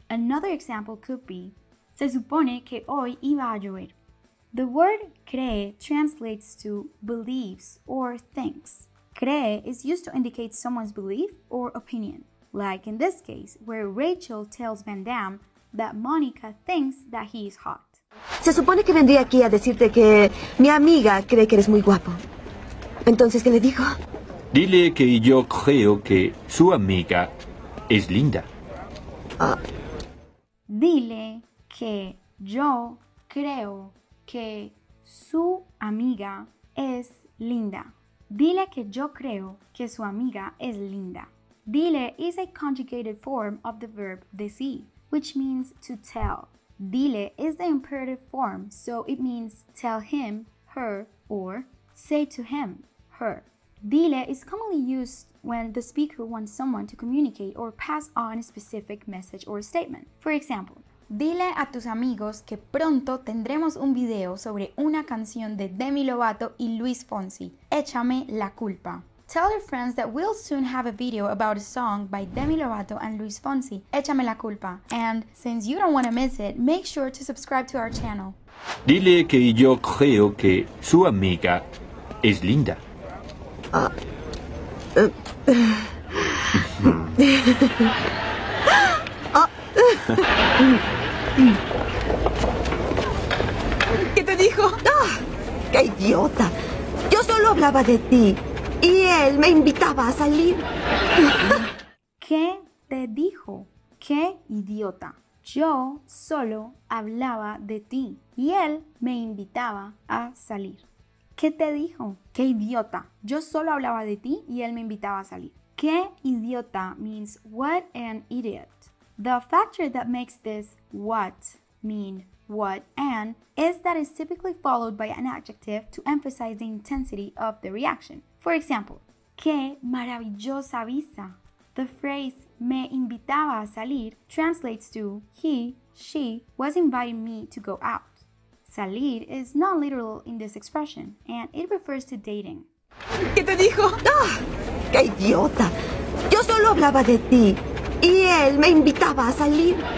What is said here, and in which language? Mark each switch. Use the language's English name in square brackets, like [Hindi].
[English] Another example could be, [Spanish] se supone que hoy iba a llover. [English] The word cree translates to believes or thinks. Cree is used to indicate someone's belief or opinion. Like in this case, where Rachel tells Van Damme that Monica thinks that he is hot. [Spanish] Se supone que vendría aquí a decirte que mi amiga cree que eres muy guapo. Entonces, ¿qué le dijo? Dile que yo creo que su amiga es linda. Dile que yo creo que su amiga es linda. Dile que yo creo que su amiga es linda. [English] Dile is a conjugated form of the verb decir, which means to tell. Dile is the imperative form, so it means tell him, her, or say to him, her. Dile is commonly used when the speaker wants someone to communicate or pass on a specific message or statement. For example, [Spanish] dile a tus amigos que pronto tendremos un video sobre una canción de Demi Lovato y Luis Fonsi, Échame la culpa. [English] Tell your friends that we'll soon have a video about a song by Demi Lovato and Luis Fonsi, Échame la culpa. And since you don't want to miss it, make sure to subscribe to our channel. [Spanish] Dile que yo creo que su amiga es linda. ¿Qué te dijo? Oh, ¡qué idiota! Yo solo hablaba de ti. Y él me invitaba a salir. ¿Qué te dijo? ¡Qué idiota! Yo solo hablaba de ti. Y él me invitaba a salir. ¿Qué te dijo? ¡Qué idiota! Yo solo hablaba de ti y él me invitaba a salir. ¡Qué idiota! [English] Means what an idiot. The factor that makes this what mean what an is that it's typically followed by an adjective to emphasize the intensity of the reaction. For example, [Spanish] ¡qué maravillosa vista! [English] The phrase [Spanish] me invitaba a salir [English] translates to he, she was inviting me to go out. Salir is not literal in this expression, and it refers to dating. [Spanish] ¿Qué te dijo? Oh, ¡qué idiota! Yo solo hablaba de ti, y él me invitaba a salir.